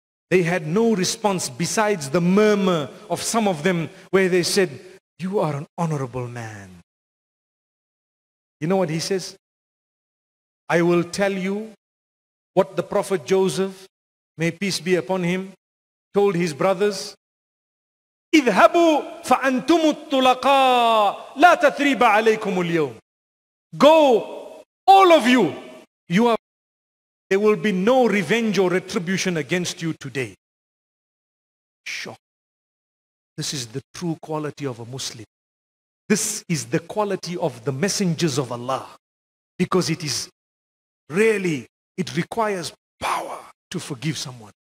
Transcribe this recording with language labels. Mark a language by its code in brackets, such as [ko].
[en] They had no response besides the murmur of some of them, where they said, you are an honorable man. You know what he says? I will tell you what the Prophet Joseph, may peace be upon him, told his brothers. [ar] اذهبوا فأنتم الطلقاء لا تثريب عليكم اليوم. [en] Go, all of you. You are. There will be no revenge or retribution against you today. Shock. This is the true quality of a Muslim. This is the quality of the messengers of Allah. Because it is really, it requires power to forgive someone.